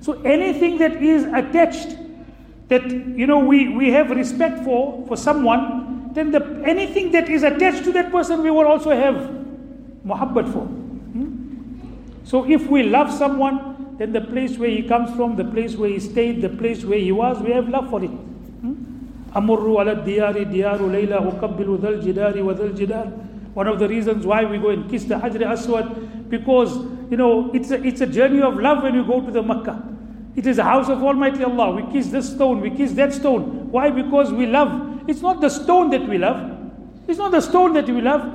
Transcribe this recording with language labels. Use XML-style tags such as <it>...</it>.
<en>So anything that is attached, that you know we have respect for someone, then the anything that is attached to that person we will also have muhabbat for. So if we love someone, then the place where he comes from, the place where he stayed, the place where he was, we have love for it.</en> <ar>أمر على الديار ديار ليلى أقبل ذا الجدار وذا الجدار.</ar> <en>One of the reasons why we go and kiss the Hajr Aswad, because you know it's a journey of love when you go to the Makkah. It is the house of Almighty Allah. We kiss this stone, we kiss that stone. Why? Because we love. It's not the stone that we love. It's not the stone that we love.</en>